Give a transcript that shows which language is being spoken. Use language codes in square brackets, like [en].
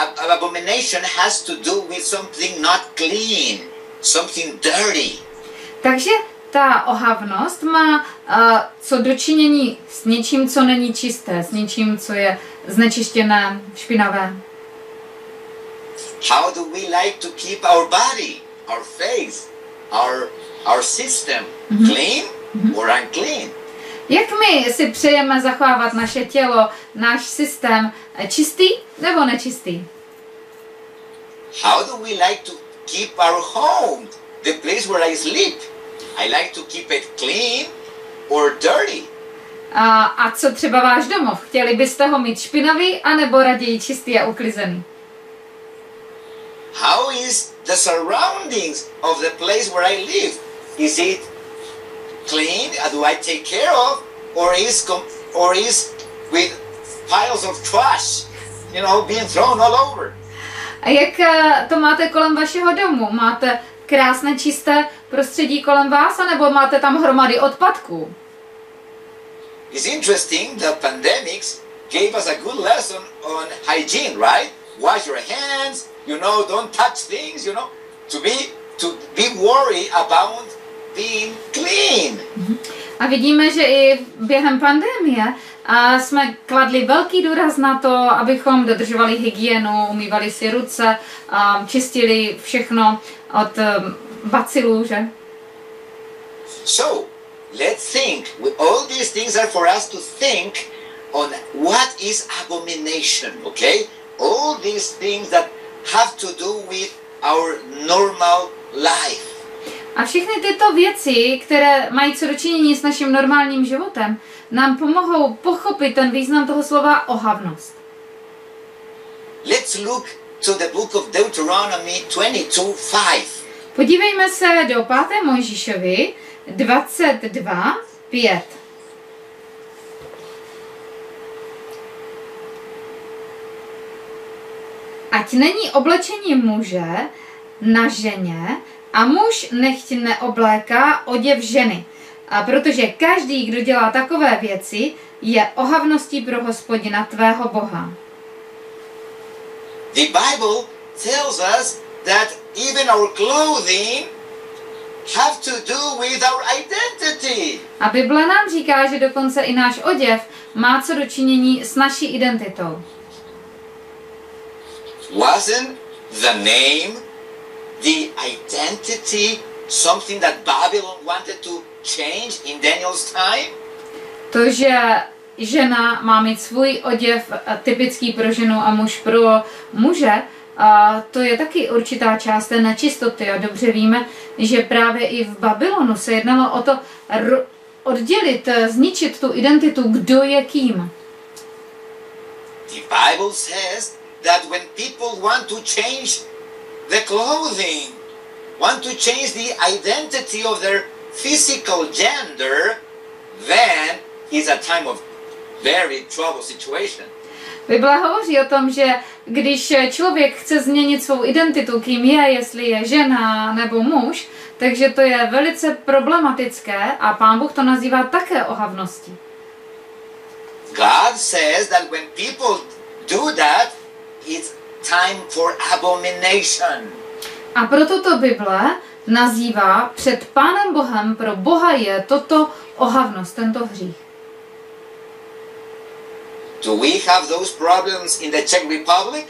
[en] Abomination has to do with something not clean, something dirty. [cs] Takže ta ohavnost má co dočinění s něčím, co není čisté, s něčím, co je znečištěné, špinavé. [en] How do we like to keep our body, our face, our system clean or unclean? [cs] Jak my si přejeme zachovávat naše tělo, náš systém čistý nebo nečistý? [en] How do we like to keep our home, the place where I sleep? I like to keep it clean or dirty. [cs] A co třeba váš domov? Chtěli byste ho mít špinavý anebo raději čistý a uklizený? [en] How is the surroundings of the place where I live? Is it clean? Do I take care of, or is with piles of trash, you know, being thrown all over? [cs] A jak to máte kolem vašeho domu? Máte krásné čisté prostředí kolem vás, anebo máte tam hromady odpadků? [en] It's interesting that pandemics gave us a good lesson on hygiene, right? Wash your hands, you know, don't touch things, you know, to be worried about clean. [cs] A vidíme, že i během pandemie jsme kladli velký důraz na to, abychom dodržovali hygienu, umývali si ruce, čistili všechno od bacilů, že? [en] So, let's think. All these things are for us to think on what is abomination, okay? All these things that have to do with our normal life. [cs] A všechny tyto věci, které mají co dočinění s naším normálním životem, nám pomohou pochopit ten význam toho slova ohavnost. [en] Let's look to the book of Deuteronomy 22:5. [cs] Podívejme se do 5. Mojžíšovi 22:5. Ať není oblečení muže na ženě a muž nechť neobléká oděv ženy, a protože každý, kdo dělá takové věci, je ohavností pro Hospodina tvého Boha. [en] The Bible tells us that even our clothing have to do with our identity. [cs] A Bible nám říká, že dokonce i náš oděv má co dočinění s naší identitou. [en] Wasn't the name, the identity, something that Babylon wanted to change in Daniel's time? [cs] To, že žena má mít svůj oděv typický pro ženu a muž pro muže, to je taky určitá část té nečistoty. A dobře víme, že právě i v Babylonu se jednalo o to oddělit, zničit tu identitu, kdo je kým. [en] The Bible says that when people want to change the clothing, want to change the identity of their physical gender, then is a time of very troubled situation. [cs] Bible hovoří o tom, že když člověk chce změnit svou identitu, kým je, jestli je žena nebo muž, takže to je velice problematické a Pán Bůh to nazývá také ohavností. [en] God says that when people do that, it's time for abomination. [cs] A proto to Bible nazývá před Pánem Bohem, pro Boha je toto ohavnost, tento hřích. [en] Do we have those problems in the Czech Republic?